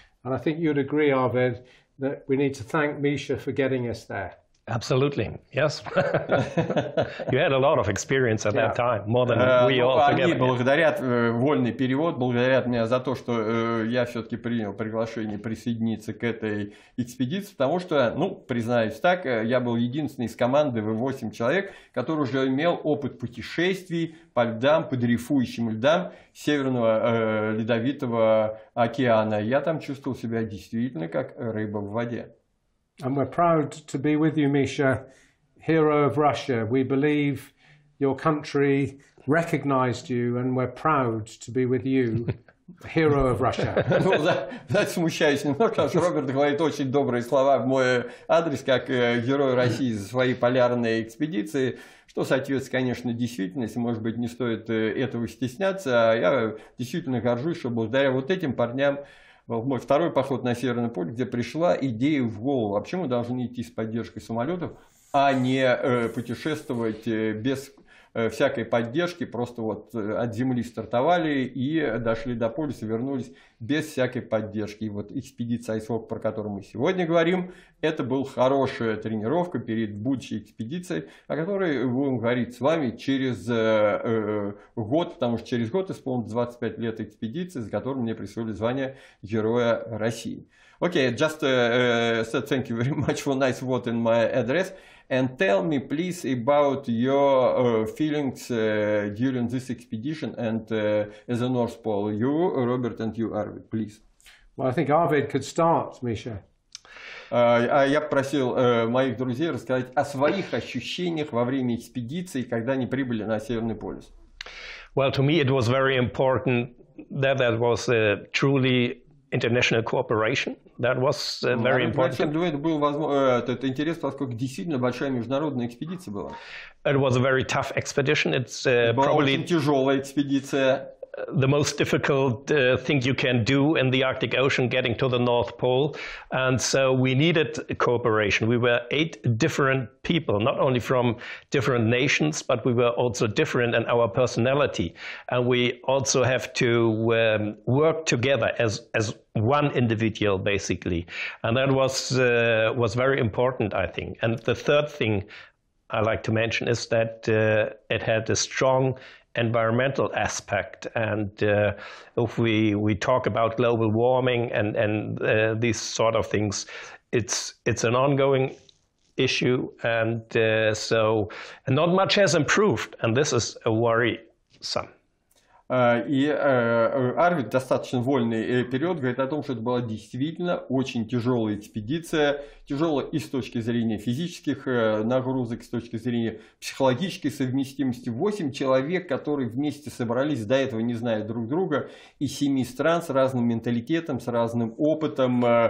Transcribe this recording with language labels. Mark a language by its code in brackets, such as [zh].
[en] And I think you'd agree, Arved, that we need to thank Misha for getting us there. Absolutely, yes. You had a lot of experience at that time, more than we all together. [ru] Они благодарят вольный перевод, благодарят меня за то, что я все-таки принял приглашение присоединиться к этой экспедиции, потому что, ну, признаюсь так, я был единственный из команды, 8 человек, который уже имел опыт путешествий по льдам, по дрейфующим льдам Северного Ледовитого океана. Я там чувствовал себя действительно как рыба в воде. [en] And we're proud to be with you, Misha, hero of Russia. We believe your country recognized you, and we're proud to be with you, hero of Russia. [ru] Ну, знаете, смущаюсь немного, потому что Роберт говорит очень добрые слова в мой адрес, как герой России за свои полярные экспедиции, что соответствует, конечно, действительности. Может быть, не стоит этого стесняться. А я действительно горжусь, что благодаря вот этим парням мой второй поход на Северный полюс, где пришла идея в голову. Вообще мы должны идти с поддержкой самолетов, а не путешествовать без всякой поддержки. Просто вот от земли стартовали и дошли до полюса, вернулись без всякой поддержки. И вот экспедиция Айсвок, про которую мы сегодня говорим, это была хорошая тренировка перед будущей экспедицией, о которой будем говорить с вами через год, потому что через год исполнится 25 лет экспедиции, за которую мне присвоили звание Героя России. [en] Okay, just said thank you very much for nice word in my address. And tell me, please, about your feelings during this expedition and as a North Pole. You, Robert, and you, Arvid, please. Well, I think Arvid could start, Misha. [ru] Я просил моих друзей рассказать о своих ощущениях во время экспедиции, когда они прибыли на Северный полюс. [en] Well, to me, it was very important that that was truly international cooperation. That was very important. [ru] Это интересно, поскольку действительно большая международная экспедиция была. [en] It was a very tough expedition. It's probably [ru] очень тяжелая экспедиция. [en] The most difficult thing you can do in the Arctic Ocean, getting to the North Pole, and so we needed cooperation. We were 8 different people, not only from different nations, but we were also different in our personality, and we also have to work together as one individual, basically, and that was very important, I think. And the third thing I like to mention is that it had a strong environmental aspect, and if we talk about global warming and these sort of things, it's an ongoing issue, and so not much has improved, and this is a worrisome. [ru] И Арвид, достаточно вольный период, говорит о том, что это была действительно очень тяжелая экспедиция. Тяжелая и с точки зрения физических нагрузок, и с точки зрения психологической совместимости. 8 человек, которые вместе собрались, до этого не зная друг друга, из 7 стран, с разным менталитетом, с разным опытом.